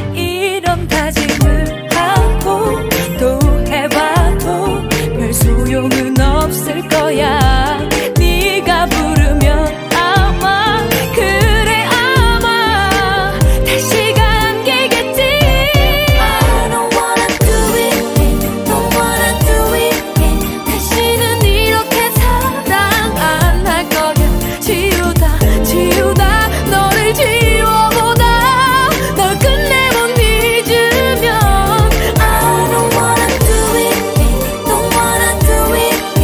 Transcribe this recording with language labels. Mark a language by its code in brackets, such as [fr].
[ko] 이런 다짐을 하고 또 해봐도 별 소용은 없을 거야. 네가 부르면 아마 그래 아마 다시 감기겠지. [en] I don't wanna do it, don't wanna do it. [ko] 다시는 이렇게 사랑 안 할 거야. 지우다 지우다 너를 지워보다 널 끝내 못 잊으면. [en] I don't wanna do it, don't wanna do it.